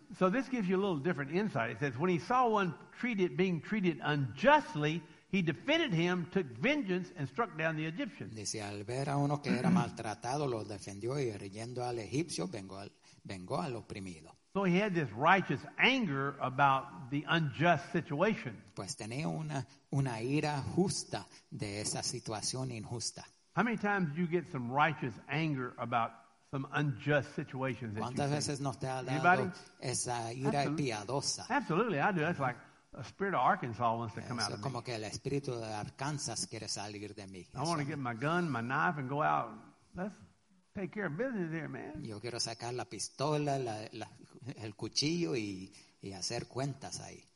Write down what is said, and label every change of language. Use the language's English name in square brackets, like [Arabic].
[English] So this gives you a little different insight. It says, when he saw one treated, being treated unjustly, he defended him, took vengeance, and struck down the Egyptian. [Spanish] Dice, al ver a uno que era maltratado, lo defendió y riendo al egipcio, vengó al oprimido. [English] So he had this righteous anger about the unjust situation. [Spanish] Pues tenía una ira justa de esa situación injusta. [English] How many times do you get some righteous anger about some unjust situations that [Spanish] ¿Cuántas [English] you [Spanish] veces [English] see? [Spanish] No te ha dado [English] anybody? [Spanish] Esa ira [English] absolutely. [Spanish] Piadosa. [English] Absolutely, I do. That's like, a spirit of Arkansas wants to come out of me. [Spanish] Como que el espíritu de Arkansas quiere salir de mí. [English] I want to get my gun, my knife, and go out. Let's take care of business here, man. [Spanish] Yo quiero sacar la pistola, el cuchillo y hacer cuentas ahí.